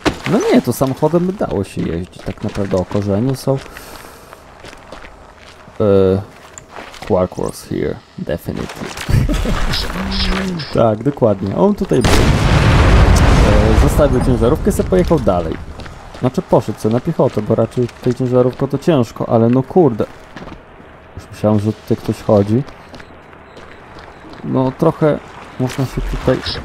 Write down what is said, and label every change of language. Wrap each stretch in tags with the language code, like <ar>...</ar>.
<pl>No nie, to samochodem by dało się jeździć, tak naprawdę o korzeniu są.</pl> <en>Quark was here, definitely.</en> <pl>Tak, dokładnie, on tutaj był. Zostawił ciężarówkę, se pojechał dalej. Znaczy poszedł sobie na piechotę, bo raczej tutaj ciężarówko to ciężko, ale no kurde. Już myślałem, że tutaj ktoś chodzi. No trochę można się tutaj...</pl>